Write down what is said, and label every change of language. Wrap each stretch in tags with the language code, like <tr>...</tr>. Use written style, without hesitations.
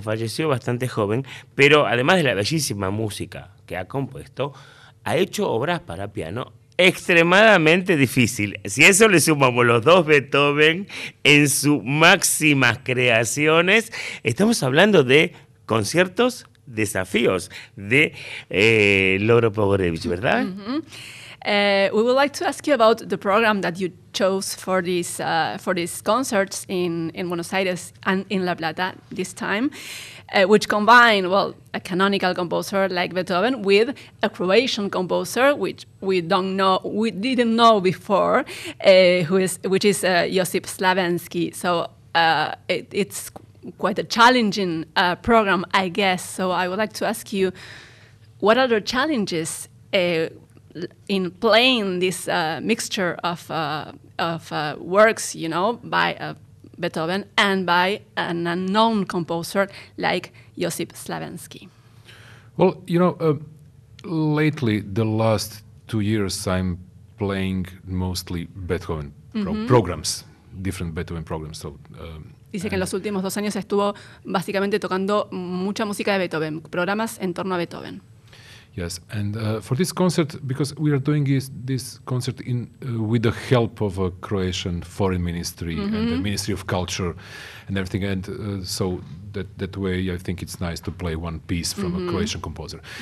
<es>Falleció bastante joven, pero además de la bellísima música que ha compuesto, ha hecho obras para piano extremadamente difícil. Si a eso le sumamos los dos Beethoven en sus máximas creaciones, estamos hablando de conciertos desafíos de Lovro Pogorelich, ¿verdad?</es> <en>We would like to ask you about the program that you chose for these concerts in Buenos Aires and in La Plata this time, which combine, well, a canonical composer like Beethoven with a Croatian composer, which we didn't know before, which is Josip Slavenski. So it's quite a challenging program, I guess. So I would like to ask you, what are the challenges in playing this mixture of works, you know, by Beethoven and by an unknown composer like Josip Slavenski? Well, you know, lately, the last 2 years, I'm playing mostly Beethoven programs, different Beethoven programs. So,</en> <es>dice que en los últimos 2 años estuvo básicamente tocando mucha música de Beethoven, programas en torno a Beethoven.</es> <en>Yes, and for this concert, because we are doing this concert in with the help of a Croatian foreign ministry and the Ministry of Culture and everything, and so that way I think it's nice to play one piece from a Croatian composer.</en>